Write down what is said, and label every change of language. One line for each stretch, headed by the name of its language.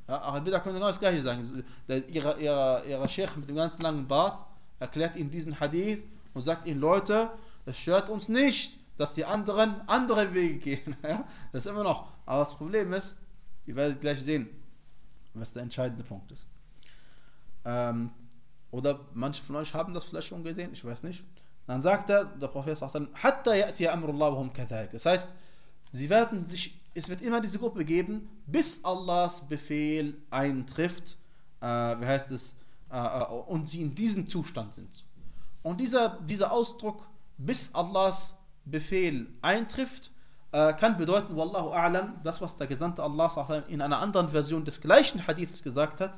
German: Ja, Ahl al-Bid'ah können genau das Gleiche sagen. Ihr Sheikh mit dem ganzen langen Bart erklärt ihnen diesen Hadith und sagt ihnen, Leute, es stört uns nicht, dass die anderen andere Wege gehen. Ja, das ist immer noch. Aber das Problem ist, ihr werdet gleich sehen, was der entscheidende Punkt ist. Oder manche von euch haben das vielleicht schon gesehen, ich weiß nicht. Dann sagt der Prophet,
Arabic: حَتَّى يَأْتِيَ أَمْرُ اللَّهُمْ كَذَلِكَ.
German: Das heißt, sie werden sich, es wird immer diese Gruppe geben, bis Allahs Befehl eintrifft, wie heißt es, und sie in diesem Zustand sind. Und dieser Ausdruck, bis Allahs Befehl eintrifft, kann bedeuten,
Arabic: wallahu a'lam,
German: das, was der Gesandte Allah in einer anderen Version des gleichen Hadiths gesagt hat.